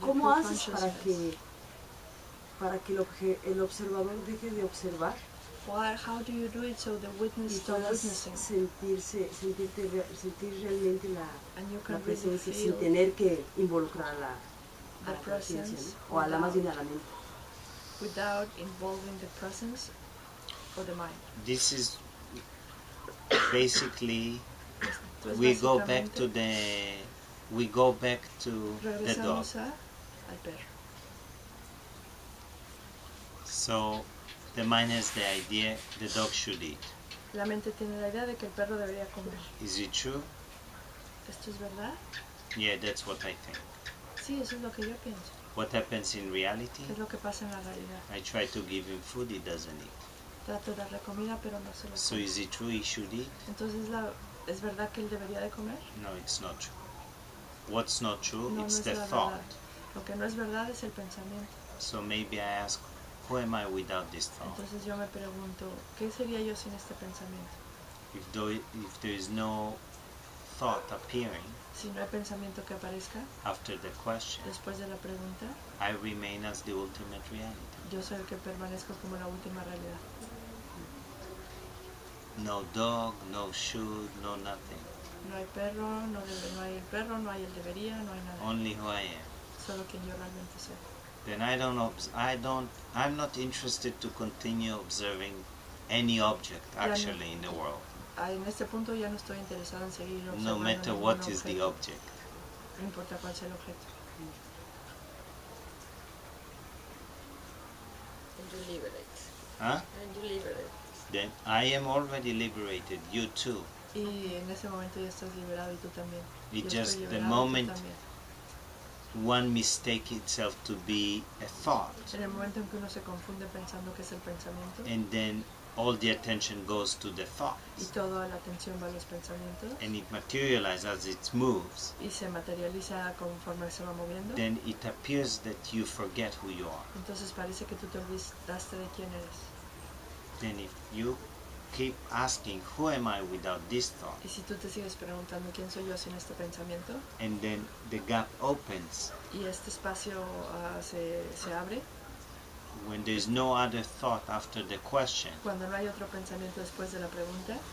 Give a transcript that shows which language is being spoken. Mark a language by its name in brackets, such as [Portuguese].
[Spanish] ¿Cómo haces para que el observador deje de observar? [English] Why? How do you do it so the witness stops witnessing? [Spanish] Sentir realmente la [English] and you can really [Spanish] presencia sin tener que involucrar la [English] a presence, [Spanish] ¿no? O a la más bien a la mente. [English] Without involving the presence or the mind. This is basically we go back to the dog. [Spanish] Al perro. [English] So the mind has the idea the dog should eat. [Spanish] La mente tiene la idea de que el perro debería comer. [English] Is it true? [Spanish] ¿Esto es verdad? [English] Yeah, that's what I think. [Spanish] Sí, eso es lo que yo pienso. [English] What happens in reality? [Spanish] ¿Qué es lo que pasa en la realidad? [English] I try to give him food, he doesn't eat. [Spanish] Trato de darle comida, pero no se lo come. [English] So is it true he should eat? [Spanish] Entonces, ¿es verdad que él debería de comer? [English] No, it's not true. What's not true? No, it's [Spanish] no es la [English] thought. [Spanish] Verdad. Lo que no es verdad es el pensamiento. [English] So maybe I ask, who am I without this thought? [Spanish] Entonces yo me pregunto, ¿qué sería yo sin este pensamiento? [English] If there is no thought appearing, [Spanish] si no hay pensamiento que aparezca, [English] after the question, [Spanish] después de la pregunta, [English] I remain as the ultimate reality. [Spanish] Yo soy el que permanezco como la última realidad. [English] No dog, no should, no nothing. [Spanish] No hay perro, no debe, no hay perro, no hay el debería, no hay nada. [English] Only who I am. [Spanish] Solo quien yo realmente soy. [English] Then I'm not interested to continue observing any object actually in the world. [Spanish] En este punto ya no estoy interesado en seguir observando. [English] No matter what [Spanish] objeto, [English] is the object. [Spanish] No importa cuál sea el objeto. [English] You liberate. Huh? And you liberate. Then I am already liberated, you too. [Spanish] Y en ese momento ya estás liberado y tú también. [English] It's just the moment one mistakes itself to be a thought. [Spanish] En el momento en que uno se confunde pensando que es el pensamiento. [English] And then all the attention goes to the thought. [Spanish] Y toda la atención va a los pensamientos. [English] And it materializes as it moves. [Spanish] Y se materializa conforme se va moviendo. [English] Then it appears that you forget who you are. [Spanish] Entonces parece que tú te olvidaste de quién eres. [English] Then if you keep asking, who am I without this thought? [Spanish] Y si tú te sigues preguntando quién soy yo sin este pensamiento? [English] And then the gap opens. [Spanish] Y este espacio se abre. [English] When there is no other thought after the question. [Spanish] Cuando no hay otro pensamiento después de la pregunta.